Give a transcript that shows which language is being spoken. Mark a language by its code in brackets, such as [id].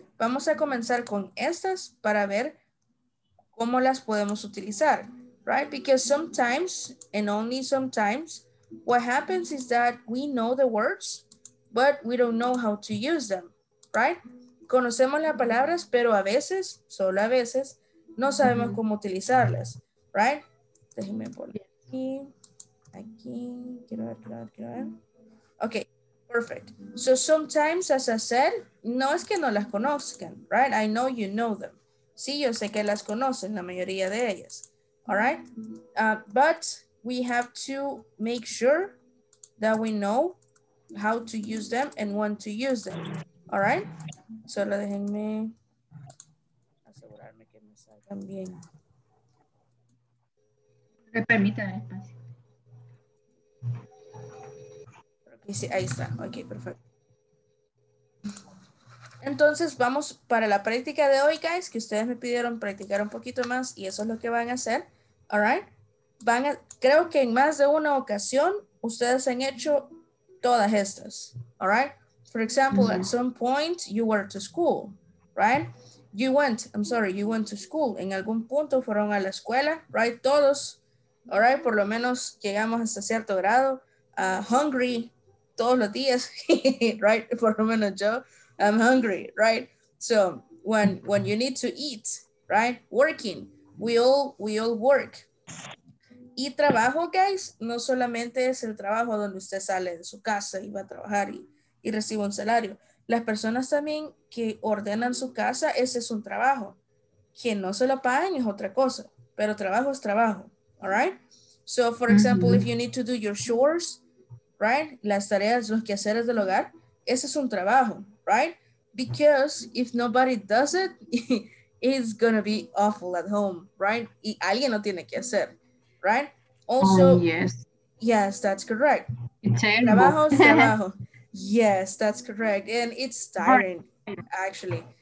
[es] Vamos a comenzar con estas para ver cómo las podemos utilizar. [en] Right? Because sometimes, and only sometimes, what happens is that we know the words, but we don't know how to use them, right? [es] Conocemos las palabras, pero a veces, solo a veces, no sabemos cómo utilizarlas, right? Déjenme poner aquí. Quiero ver. [en] Okay, perfect. So sometimes, as I said, [es] no es que no las conozcan, [en] right? I know you know them. [es] Sí, yo sé que las conocen, la mayoría de ellas, [en] all right? But we have to make sure that we know how to use them and when to use them. All right? [es] Solo déjenme asegurarme que me salgan bien. Me permitan espacio. Okay, sí, ahí está. Ok, perfecto. Entonces, vamos para la práctica de hoy, guys, que ustedes me pidieron practicar un poquito más y eso es lo que van a hacer. [en] All right? [es] Creo que en más de una ocasión ustedes han hecho todas estas, [en] all right? For example, at some point you were to school, right? You went to school. [es] En algún punto fueron a la escuela, right? Todos, [en] all right? [es] Por lo menos llegamos hasta cierto grado, [en] hungry [es] todos los días, right? Por lo menos yo, [en] I'm hungry, right? So when you need to eat, right? Working, we all work. [es] Y trabajo, guys, no solamente es el trabajo donde usted sale de su casa y va a trabajar y recibe un salario. Las personas también que ordenan su casa, ese es un trabajo. Quien no se lo pagan es otra cosa, pero trabajo es trabajo, [en] all right? So, for example, if you need to do your chores, right? [es] Las tareas, los quehaceres del hogar, ese es un trabajo, right? [en] Because if nobody does it, it's gonna be awful at home, right? [es] Y alguien lo tiene que hacer. [en] Right? Also, yes, that's correct. Terrible. [es] Trabajo, trabajo. [en] Yes, that's correct. And it's tiring, actually.